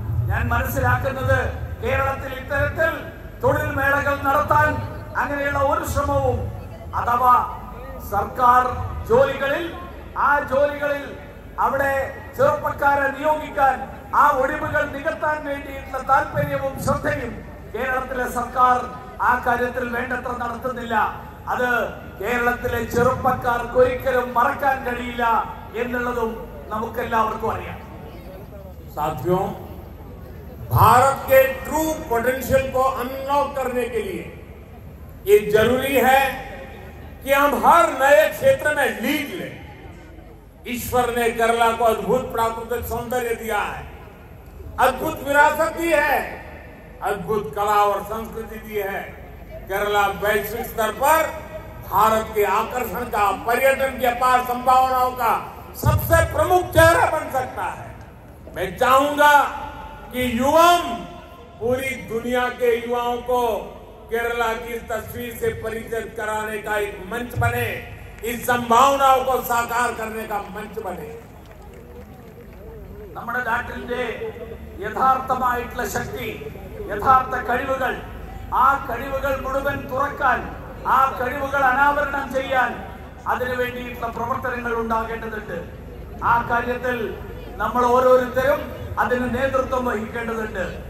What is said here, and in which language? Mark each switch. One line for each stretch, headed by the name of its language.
Malayalam: ഞാൻ മനസ്സിലാക്കുന്നത് കേരളത്തിൽ ഇത്തരത്തിൽ തൊഴിൽ മേളകൾ നടത്താൻ അങ്ങനെയുള്ള ഒരു ശ്രമവും അഥവാ സർക്കാർ ജോലികളിൽ ആ ജോലികളിൽ അവിടെ ചെറുപ്പക്കാരെ നിയോഗിക്കാൻ ആ ഒഴിവുകൾ നികത്താൻ വേണ്ടിയിട്ടുള്ള താല്പര്യവും ശ്രദ്ധയും കേരളത്തിലെ സർക്കാർ ആ കാര്യത്തിൽ വേണ്ടത്ര നടത്തുന്നില്ല. അത് കേരളത്തിലെ ചെറുപ്പക്കാർക്ക് ഒരിക്കലും മറക്കാൻ കഴിയില്ല എന്നുള്ളതും നമുക്ക് എല്ലാവർക്കും അറിയാം.
Hindi: साथियों, भारत के
English: true potential
Hindi: को अनलॉक करने के लिए ये जरूरी है कि हम हर नए क्षेत्र में लीड लें. ईश्वर ने केरला को अद्भुत प्राकृतिक सौंदर्य दिया है, अद्भुत विरासत दी है, अद्भुत कला और संस्कृति दी है. केरला वैश्विक स्तर पर भारत के आकर्षण का, पर्यटन की अपार संभावनाओं का सबसे प्रमुख चेहरा बन सकता है. मैं चाहूंगा कि युवा पूरी दुनिया के युवाओं को केरला की तस्वीर से परिचित कराने का एक मंच बने, इन संभावनाओं को साकार करने का मंच बने.
Malayalam: നമ്മുടെ നാട്ടിന്റെ യഥാർത്ഥമായിട്ടുള്ള ശക്തി, യഥാർത്ഥ കഴിവുകൾ, ആ കഴിവുകൾ മുഴുവൻ തുറക്കാൻ, ആ കഴിവുകൾ അനാവരണം ചെയ്യാൻ അതിനുവേണ്ടിയിട്ടുള്ള പ്രവർത്തനങ്ങൾ ഉണ്ടാകേണ്ടതുണ്ട്. ആ കാര്യത്തിൽ നമ്മൾ ഓരോരുത്തരും അതിന് നേതൃത്വം വഹിക്കേണ്ടതുണ്ട്.